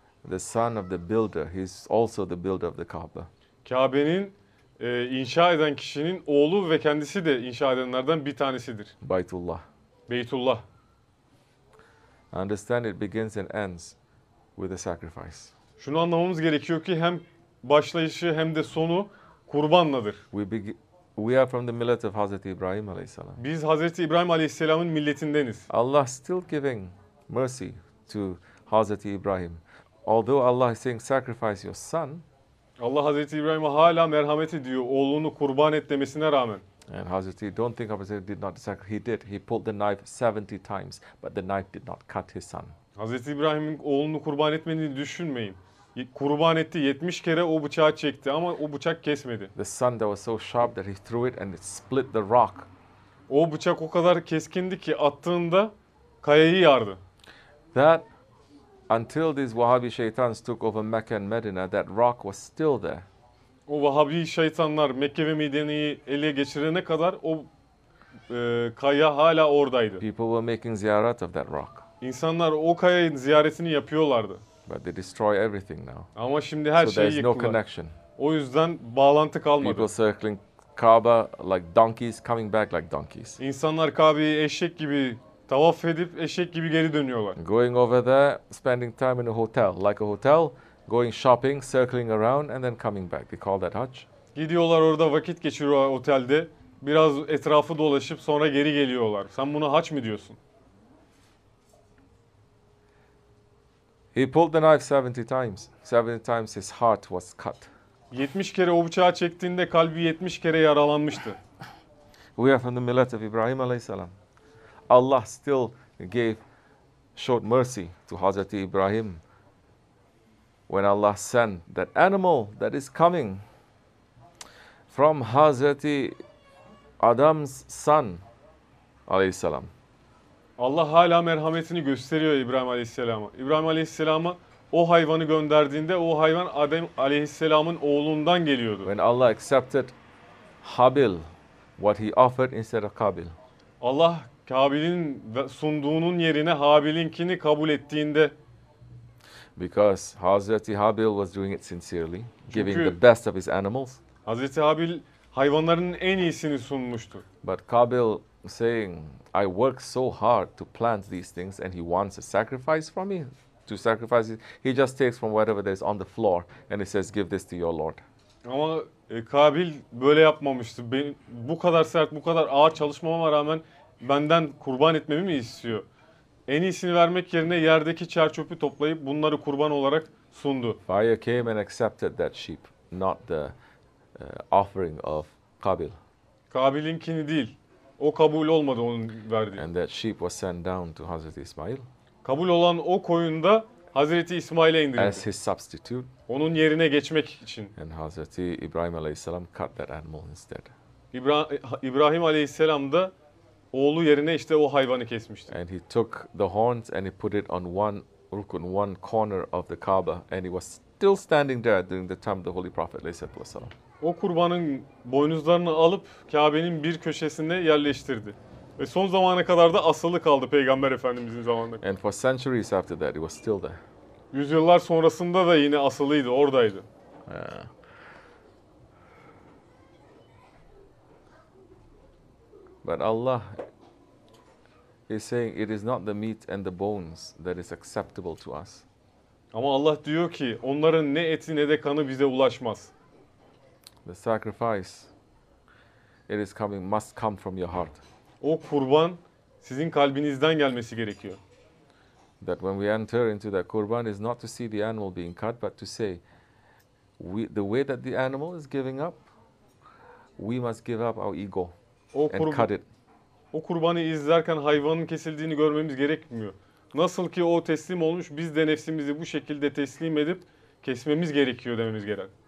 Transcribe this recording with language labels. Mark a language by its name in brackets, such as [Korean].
[English] The son of the builder, he's also the builder of the Kaaba. [Turkish] Kabe'nin inşa eden kişinin oğlu ve kendisi de inşa edenlerden bir tanesidir. [English] Baytullah. [Turkish] Beytullah. [English] Understand it begins and ends with a sacrifice. [Turkish] Şunu anlamamız gerekiyor ki hem başlayışı hem de sonu kurbanladır. [English] We are from the millet of Hazreti İbrahim Aleyhisselam. [Turkish] Biz Hazreti İbrahim Aleyhisselam'ın milletindeniz. [English] Allah still giving mercy to Hazreti İbrahim. Although Allah is saying sacrifice your son. [Turkish] Allah Hazreti İbrahim'e hala merhamet ediyor oğlunu kurban et demesine rağmen. [English] And Hazreti, don't think Hazreti did not sacrifice. He did. He pulled the knife 70 times, but the knife did not cut his son. [Turkish] Hazreti İbrahim'in oğlunu kurban etmediğini düşünmeyin. Kurban etti, 70 kere o bıçağı çekti ama o bıçak kesmedi. [English] The son that was so sharp that he threw it and it split the rock. [Turkish] O bıçak o kadar keskindi ki attığında kayayı yardı. [English] That until these Wahhabi shaitans took over Mecca and Medina, that rock was still there. [Turkish] O Wahhabi şeytanlar Mekke ve Medine'yi ele geçirene kadar o kaya hala oradaydı. [English] People were making ziyaret of that rock. [Turkish] İnsanlar o kayanın ziyaretini yapıyorlardı. [English] But they destroy everything now. [Turkish] Ama şimdi her şeyi yıktılar. [English] No connection. [Turkish] O yüzden bağlantı kalmadı. [English] People circling Kaaba like donkeys, coming back like donkeys. [Turkish] İnsanlar Kaaba'yı eşek gibi tavaf edip eşek gibi geri dönüyorlar. [English] Going over there, spending time in a hotel, like a hotel. Going shopping, circling around and then coming back. They call that Hajj. [Turkish] Gidiyorlar orada vakit geçiriyorlar otelde. Biraz etrafı dolaşıp sonra geri geliyorlar. Sen buna Hajj mı diyorsun? [English] He pulled the knife 70 times. 70 times his heart was cut. [Turkish] 70 kere o bıçağı çektiğinde kalbi 70 kere yaralanmıştı. [English] We are from the millet of Ibrahim Aleyhisselam. Allah still gave short mercy to Hazreti İbrahim. When Allah sent that animal that is coming from Hazreti Adam's son Aleyhisselam. [Turkish] Allah hala merhametini gösteriyor İbrahim Aleyhisselam'a. İbrahim Aleyhisselam'a o hayvanı gönderdiğinde o hayvan Adem Aleyhisselam'ın oğlundan geliyordu. [English] When Allah accepted Habil, what he offered instead of Kabil. [Turkish] Allah Kabil'in sunduğunun yerine Habil'inkini kabul ettiğinde. [English] Because Hazreti Habil was doing it sincerely, giving the best of his animals. [Turkish] Hazreti Habil hayvanlarının en iyisini sunmuştu. [English] But Kabil saying, I worked so hard to plant these things and he wants a sacrifice from me. To sacrifice, he just takes from whatever there is on the floor and he says, give this to your Lord. [Turkish] Ama Kabil böyle yapmamıştı. Bu kadar sert, bu kadar ağır çalışmama rağmen benden kurban etmemi mi istiyor? En iyisini vermek yerine yerdeki çer çöpü toplayıp bunları kurban olarak sundu. [English] Fire came and accepted that sheep, not the offering of Kabil. [Turkish] Kabil'inkini değil. O kabul olmadı onun verdiği. [English] And that sheep was sent down to Hazreti İsmail. [Turkish] Kabul olan o koyun da Hazreti İsmail'e indirildi. [English] As his substitute. [Turkish] Onun yerine geçmek için. [English] And Hazreti İbrahim Aleyhisselam cut that animal instead. [Turkish] İbrahim Aleyhisselam da oğlu yerine işte o hayvanı kesmişti. [English] And he took the horns and he put it on one rukun, one corner of the Kaaba, and he was still standing there during the time of the Holy Prophet Aleyhisselatü Vesselam. [Turkish] O kurbanın boynuzlarını alıp Kabe'nin bir köşesine yerleştirdi. Ve son zamana kadar da asılı kaldı Peygamber Efendimiz'in zamanında. [English] And for centuries after that he was still there. [Turkish] Yüzyıllar sonrasında da yine asılıydı, oradaydı. [English] But Allah is saying it is not the meat and the bones that is acceptable to us. [Turkish] Ama Allah diyor ki onların ne eti ne de kanı bize ulaşmaz. [English] The sacrifice it is coming must come from your heart. [Turkish] O kurban sizin kalbinizden gelmesi gerekiyor. [English] That when we enter into that kurban is not to see the animal being cut but to say the way that the animal is giving up we must give up our ego. [Turkish] O kurbanı izlerken hayvanın kesildiğini görmemiz gerekmiyor. Nasıl ki o teslim olmuş, biz de nefsimizi bu şekilde teslim edip kesmemiz gerekiyor dememiz gerek.